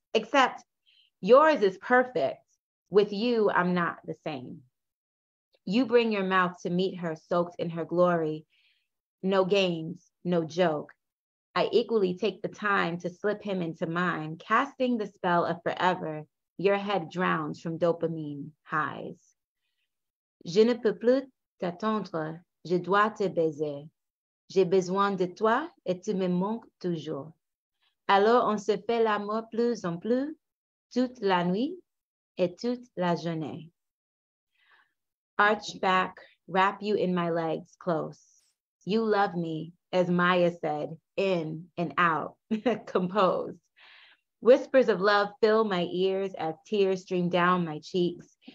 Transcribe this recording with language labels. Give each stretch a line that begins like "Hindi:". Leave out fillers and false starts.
English: Except yours is perfect. With you, I'm not the same. You bring your mouth to meet her, soaked in her glory. No games, no joke. I equally take the time to slip him into mine, casting the spell of forever. Your head drowns from dopamine highs.
French: Je ne peux plus t'attendre, je dois te baiser. J'ai besoin de toi et tu me manques toujours. Alors on se fait l'amour plus en plus, toute la nuit et toute la journée.
English: Arch back, wrap you in my legs close. You love me, as Maya said, in and out, composed. Whispers of love fill my ears as tears stream down my cheeks.